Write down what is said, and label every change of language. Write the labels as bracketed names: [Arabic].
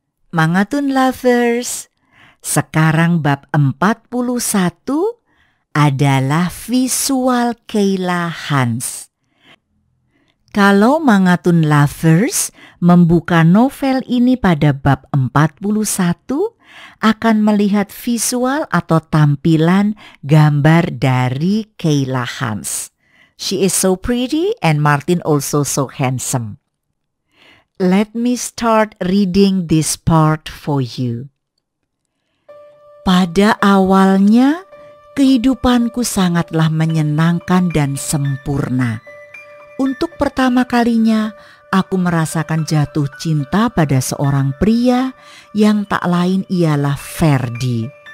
[Indonesian] Mangatun lovers, sekarang bab 41 adalah visual Kayla Hans. Kalau Mangatun lovers membuka novel ini pada bab 41, akan melihat visual atau tampilan gambar dari Kayla Hans. [English] She is so pretty and Martin also so handsome. Let me start reading this part for you. [Indonesian] Pada awalnya, kehidupanku sangatlah menyenangkan dan sempurna. Untuk pertama kalinya, aku merasakan jatuh cinta pada seorang pria yang tak lain ialah Ferdi.